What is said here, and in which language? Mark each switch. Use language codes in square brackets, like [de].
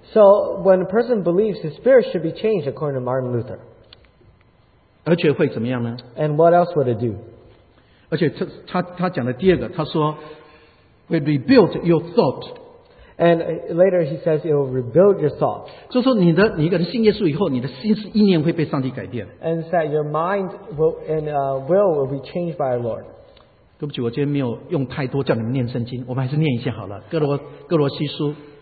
[en] So when a person believes, his spirit should be changed, according to Martin Luther. [zh] 而且会怎么样呢? [en] And what else would it do? [zh] 而且他讲的第二个，他说。 [en] Will rebuild your thought. And later he says it will rebuild your thought. [zh] 就说你的信耶稣以后，你的心思意念会被上帝改变。 [en] And that your mind will and will be changed by our Lord. [zh] 对不起，我今天没有用太多叫你们念圣经，我们还是念一下好了。哥罗西书。